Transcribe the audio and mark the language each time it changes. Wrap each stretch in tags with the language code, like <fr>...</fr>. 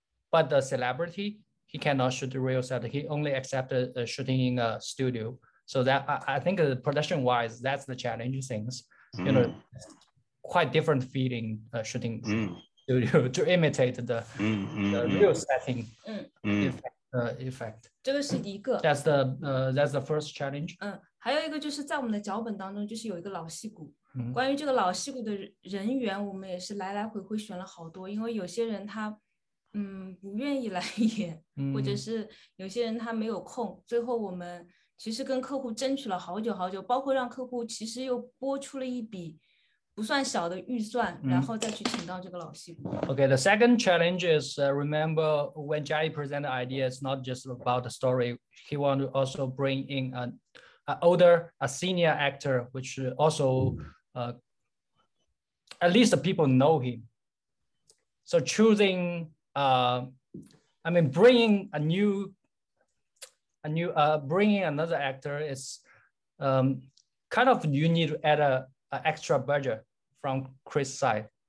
<en>But the celebrity, he cannot shoot the real set. He only accepted shooting in a studio. So that I think production wise, that's the challenge things. You know, quite different feeling shooting studio to imitate the real setting effect.</en> <zh>这个是一个。</zh> <en>That's the first challenge. 嗯。</en> <zh>还有一个就是在我们的脚本当中就是有一个老戏骨，关于这个老戏骨的人员我们也是来来回回选了好多，因为有些人他不愿意来演，或者是有些人他没有空，最后我们其实跟客户争取了好久好久，包括让客户其实又拨出了一笔不算小的预算，然后再去请到这个老戏骨。</zh> <en>Okay, the second challenge is, remember when Jai presented the idea, it's not just about the story. He wanted to also bring in an older, senior actor, which also, at least the people know him. So choosing, bringing another actor is kind of, you need to add an extra budget from Chris' side.</en>